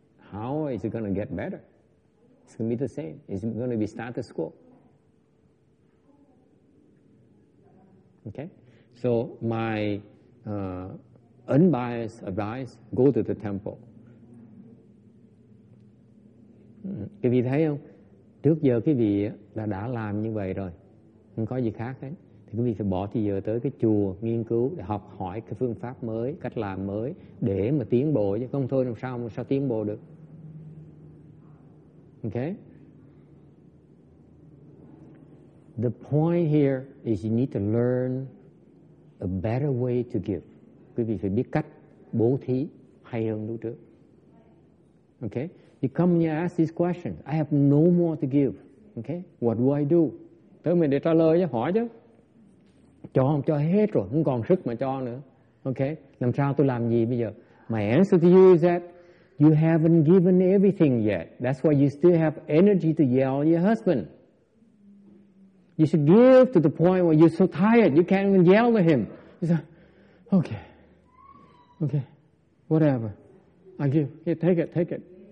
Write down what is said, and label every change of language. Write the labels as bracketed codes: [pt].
[en] How is it going to get better? It's going to be the same. It's going to be status quo. Okay? So my unbiased advice, go to the temple. [vi] Quý vị thấy không? Trước giờ quý vị đã làm như vậy rồi. Không có gì khác hết. Thì quý vị phải bỏ thời giờ tới cái chùa, nghiên cứu, để học hỏi cái phương pháp mới, cách làm mới, để mà tiến bộ. Chứ không thôi làm sao tiến bộ được. [en] Okay? The point here is you need to learn a better way to give. [vi] Quý vị phải biết cách bố thí hay hơn lúc trước. [en] Okay? You come and you ask this question. I have no more to give. Okay? What do I do? [vi] Tới mình để trả lời chứ, hỏi chứ. Cho không? Cho hết rồi. Không còn sức mà cho nữa. Okay? Làm sao tôi làm gì bây giờ? [en] My answer to you is that you haven't given everything yet. That's why you still have energy to yell at your husband. You should give to the point where you're so tired, you can't even yell at him. You say, okay. Okay. Whatever. I give. Here, take it. Take it.